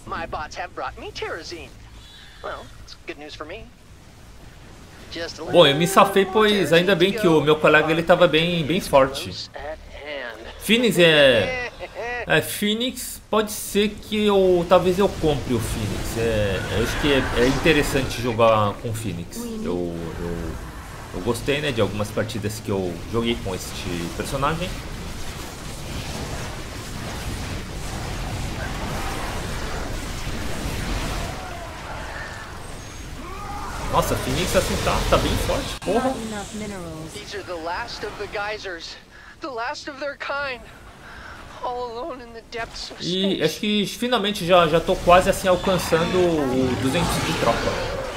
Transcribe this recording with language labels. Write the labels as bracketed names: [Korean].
[English] My bots have brought me Terezin. Well, it's good news for me. [Portuguese] Bom, eu me safei, pois ainda bem que o meu colega ele tava bem forte. Phoenix é Phoenix, pode ser que eu talvez eu compre o Phoenix. Eu acho que é interessante jogar com Phoenix. Eu gostei, né, de algumas partidas que eu joguei com este personagem. Nossa, Phoenix assim tá bem forte, porra. [English] These are the last of the geysers, the last of their kind, all alone in the depths of space. [Portuguese] E acho que finalmente já tô quase assim alcançando o 200 de tropa.